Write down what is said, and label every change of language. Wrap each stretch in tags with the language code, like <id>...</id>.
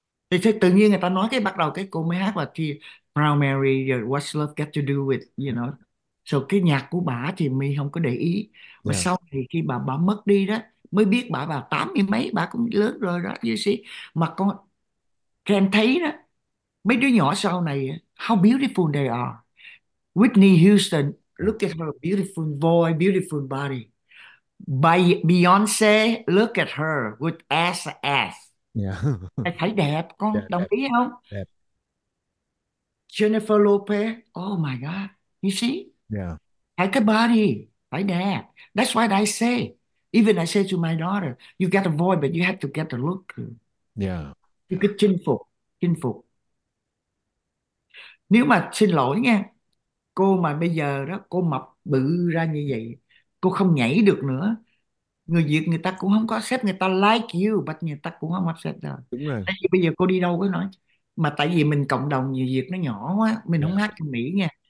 <vi>Thì tự nhiên người ta nói cái bắt đầu cái cô mới hát là Proud Mary, what's love got to do with, So cái nhạc của bà thì mình không có để ý. Mà</vi> <en>Yeah.</en> <vi>sau thì khi bà mất đi đó, mới biết bà 80 mấy, bà cũng lớn rồi đó, you see. Mà con em thấy đó, mấy đứa nhỏ sau này, how beautiful they are.</vi> <en>Whitney Houston, look at her beautiful voice, beautiful body. By Beyoncé, look at her with ass. Yeah.</en> <vi>Em thấy đẹp, con Đẹp, đồng đẹp, ý không? đẹp.</vi> <en>Jennifer Lopez, oh my God, you see? Yeah.</en> <vi>Hãy cái body phải đẹp. That's what I say.</vi> <en>Even I say to my daughter, you get a voice but you have to get a look. Yeah. You could chinh phục.</en> <vi>Nếu mà xin lỗi nha, cô mà bây giờ đó cô mập bự ra như vậy, cô không nhảy được nữa. Người Việt người ta cũng không có accept, người ta like you but người ta cũng không accept đâu. Đúng rồi. Tại vì bây giờ cô đi đâu có nói, mà tại vì mình cộng đồng người Việt nó nhỏ quá, mình không hát cho Mỹ nha.</vi>